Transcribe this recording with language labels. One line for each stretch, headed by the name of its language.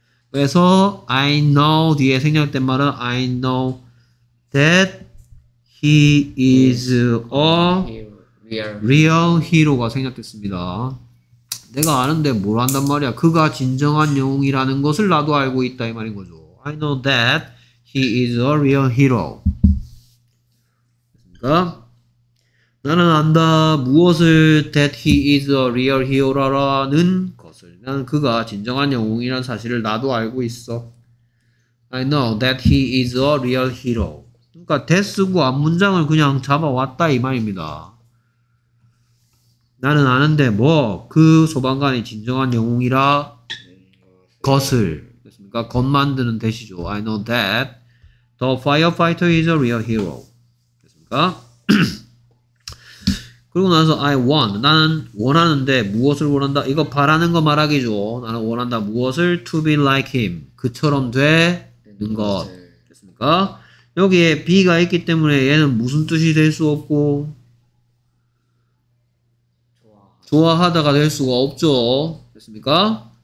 English: 그래서 I know
Korean: 뒤에 생략된 말은
English: I know that he is a real hero가
Korean: 생략됐습니다. 내가 아는데 뭘 한단 말이야. 그가 진정한 영웅이라는 것을 나도 알고 있다 이 말인 거죠.
English: I know that he is a real hero.
Korean: 됐습니까? 나는 안다. 무엇을
English: that he is a real hero
Korean: 라는 것을. 나는 그가 진정한 영웅이라는 사실을 나도 알고 있어.
English: I know that he is a real hero.
Korean: 그러니까 that 쓰고 앞문장을 그냥 잡아왔다 이 말입니다. 나는 아는데 뭐 그 소방관이 진정한 영웅이라 것을. 겉 만드는 대시죠.
English: I know that the firefighter is a real hero.
Korean: 됐습니까? 그리고 나서 I want. 나는 원하는데 무엇을 원한다? 이거 바라는 거 말하기죠. 나는 원한다. 무엇을?
English: To be like him.
Korean: 그처럼 되는 것. 됐습니까? 여기에 be가 있기 때문에 얘는 무슨 뜻이 될 수 없고 좋아하다가 될 수가 없죠. 됐습니까?